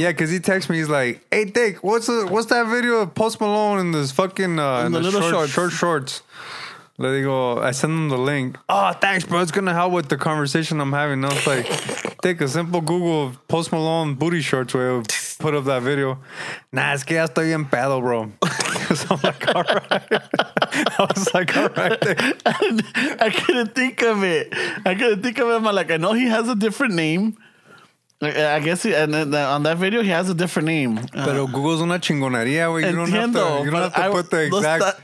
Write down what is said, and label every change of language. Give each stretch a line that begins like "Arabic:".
English: yeah, because he texted me. He's like, hey, Dick, what's that video of Post Malone in this fucking in the little short shorts? Let me go. I send him the link. Oh, thanks, bro. It's going to help with the conversation I'm having. And I was like, take a simple Google of Post Malone booty shorts where I put up that video.
Spanish: Nah, es que ya estoy en pedo, bro.
English: So I'm like, all right. I was like, all right. I couldn't think of it. I'm like, I know he has a different name. I guess on that video, he has a different name.
Spanish: Pero Google's una chingonería, güey.
English: You don't have to put the exact...